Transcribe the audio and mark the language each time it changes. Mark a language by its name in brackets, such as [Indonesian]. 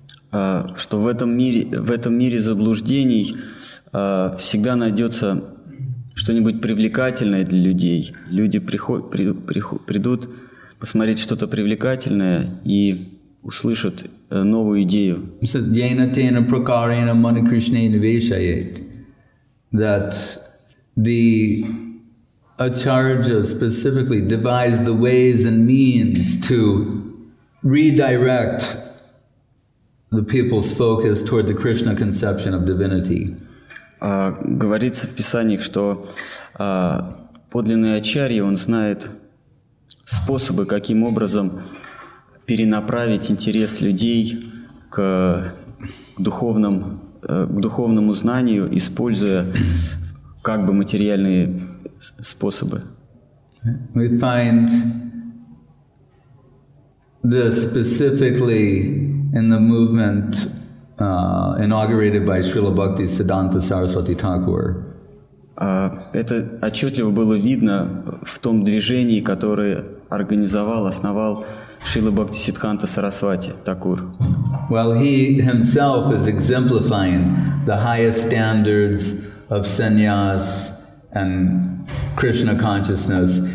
[Russian] Что в этом мире заблуждений всегда найдется что-нибудь привлекательное для людей. Люди придут посмотреть что-то привлекательное и услышат новую идею. [Sanskrit] Jaina Tena Prakarena Mani Krishnena Vaishayet, [English] that the acharya specifically devised the ways and means to redirect the people's focus toward the Krishna conception of divinity. [Russian] Говорится в Писаниях, что подлинный ачарья, он знает способы, каким образом перенаправить интерес людей к духовному знанию, используя как бы материальные способы. [English] We find this specifically in the movement inaugurated by Srila Bhakti Siddhanta Saraswati Thakur. [Russian] Это отчетливо было видно в том движении, которое организовал, основал Шрила Бхакти Сиддханта Сарасвати Такур. [English] Well, he himself is exemplifying the highest standards of sannyas and Krishna consciousness.